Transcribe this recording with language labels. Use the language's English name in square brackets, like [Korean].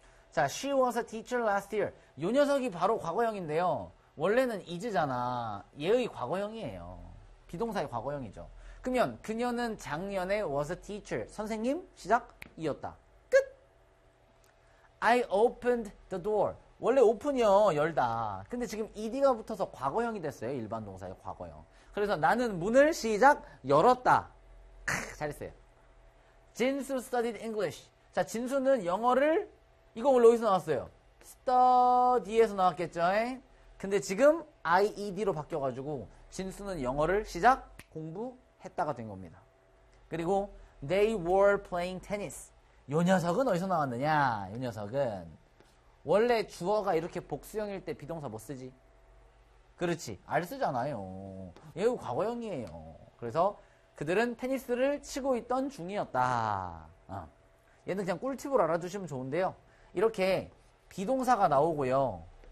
[English] 자, she was a teacher last year. [Korean] 요 녀석이 바로 과거형인데요. 원래는 is잖아. 얘의 과거형이에요. 비동사의 과거형이죠. 그러면 그녀는 작년에 [English] was a teacher. [Korean] 선생님, 시작, 이었다. [English] I opened the door. [Korean] 원래 open이요, 열다. 근데 지금 ed가 붙어서 과거형이 됐어요. 일반 동사의 과거형. 그래서 나는 문을 시작 열었다. 크, 잘했어요. [English] 진수 studied English. [Korean] 자, 진수는 영어를, 이거 원래 어디서 나왔어요? study에서 나왔겠죠? 근데 지금 IED로 바뀌어가지고 진수는 영어를 시작 공부했다가 된 겁니다. 그리고 [English] they were playing tennis. [Korean] 요 녀석은 어디서 나왔느냐? 요 녀석은 원래 주어가 이렇게 복수형일 때 비동사 못 쓰지. 그렇지. 알 쓰잖아요. 얘가 과거형이에요. 그래서 그들은 테니스를 치고 있던 중이었다. 얘는 그냥 꿀팁으로 알아두시면 좋은데요. 이렇게 비동사가 나오고요.